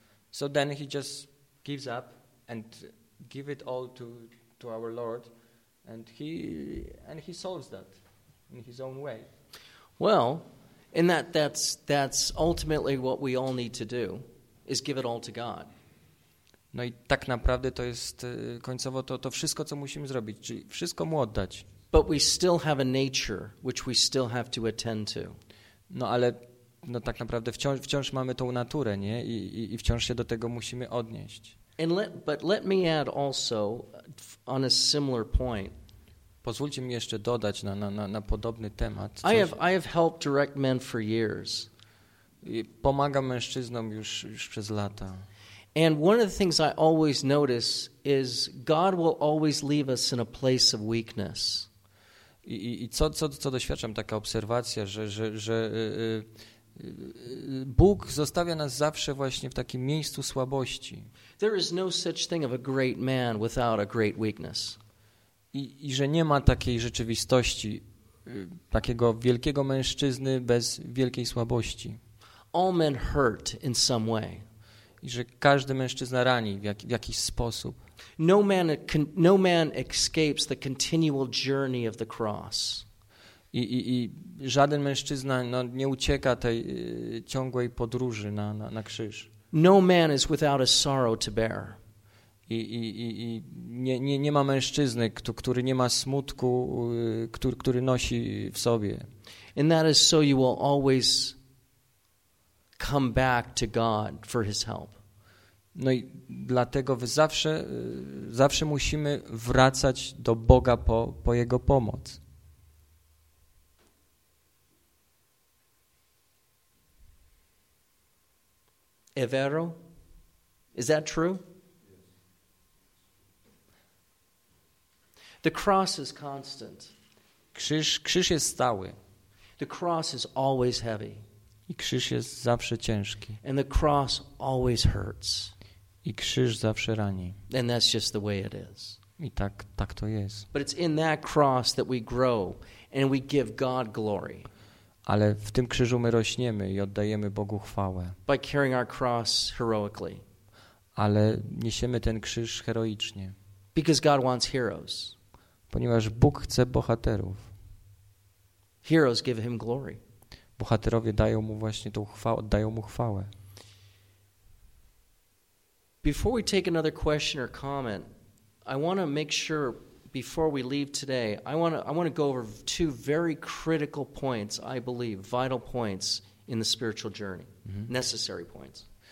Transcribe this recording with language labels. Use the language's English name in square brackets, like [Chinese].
[English] So then he just gives up and give it all to our Lord, and he solves that in his own way. Well, and that's ultimately what we all need to do, is give it all to God. [Polish] No i tak naprawdę to jest końcowo to wszystko, co musimy zrobić, czyli wszystko mu oddać. [English] But we still have a nature which we still have to attend to. [Polish] No ale no tak naprawdę wciąż mamy tą naturę, nie? I wciąż się do tego musimy odnieść. [English] But let me add also on a similar point. [Polish] Pozwólcie mi jeszcze dodać na podobny temat. [English] I have helped direct men for years. [Polish] I pomagam mężczyznom już przez lata. [English] And one of the things I always notice is God will always leave us in a place of weakness. [Polish] I co doświadczam, taka obserwacja, że Bóg zostawia nas zawsze właśnie w takim miejscu słabości. [English] There is no such thing of a great man without a great weakness. [Polish] I że nie ma takiej rzeczywistości takiego wielkiego mężczyzny bez wielkiej słabości. [English] All men hurt in some way. [Polish] I że każdy mężczyzna rani w jakiś sposób. [English] No man escapes the continual journey of the cross. [Polish] I żaden mężczyzna no, nie ucieka tej ciągłej podróży na krzyż. [English] No man is without a sorrow to bear. [Polish] I nie ma mężczyzny, który nie ma smutku, który nosi w sobie. [English] And that is so you will always come back to God for his help. [Polish] No i dlatego wy zawsze musimy wracać do Boga po jego pomoc. [Italian] È vero? [English] Is that true? The cross is constant. [Polish] Krzyż jest stały. [English] The cross is always heavy. [Polish] I krzyż jest zawsze ciężki. [English] And the cross always hurts. [Polish] I krzyż zawsze rani. [English] And that's just the way it is. [Polish] I tak to jest. [English] But it's in that cross that we grow and we give God glory. [Polish] Ale w tym krzyżu my rośniemy i oddajemy Bogu chwałę. [English] By carrying our cross heroically. [Polish] Ale niesiemy ten krzyż heroicznie. [English] Because God wants heroes. [Polish] Ponieważ Bóg chce bohaterów. [English] Heroes give him glory. [Polish] Bohaterowie dają mu właśnie tą chwałę, oddają mu chwałę. [English] Before we take another question or comment, I want to make sure before we leave today, I want to go over two very critical points, I believe, vital points in the spiritual journey, necessary points.